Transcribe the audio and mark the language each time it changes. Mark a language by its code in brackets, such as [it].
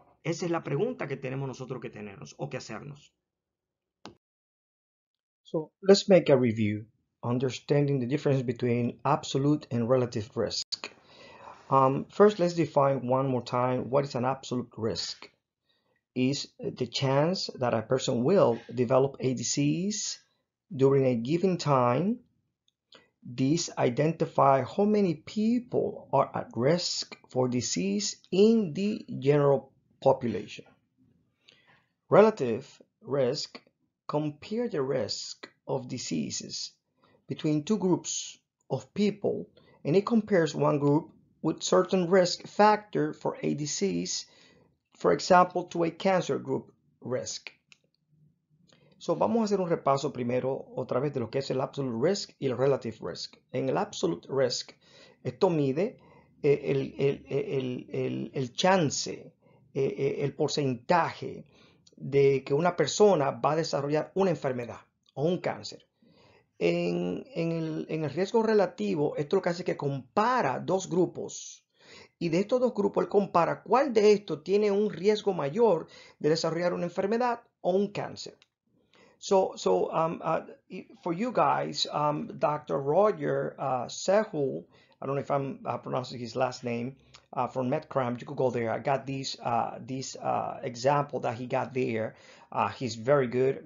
[es] Esa es la pregunta que tenemos nosotros que tenernos o que hacernos. [en] So, let's make a review. Understanding the difference between absolute and relative risk. First, let's define one more time what is an absolute risk. Is the chance that a person will develop a disease during a given time. This identifies how many people are at risk for disease in the general population. Relative risk compare the risk of diseases between two groups of people, and it compares one group with certain risk factor for a disease, for example, to a cancer group risk. [es] So, vamos a hacer un repaso primero otra vez de lo que es el absolute risk y el relative risk. En el absolute risk, esto mide el chance, el porcentaje de que una persona va a desarrollar una enfermedad o un cáncer. En el riesgo relativo, esto lo que hace es que compara dos grupos. Y de estos dos grupos, él compara cuál de estos tiene un riesgo mayor de desarrollar una enfermedad o un cáncer. [en] For you guys, Dr. Roger Sehu, I don't know if I'm pronouncing his last name, from MedCram, you could go there. I got this example that he got there. He's very good.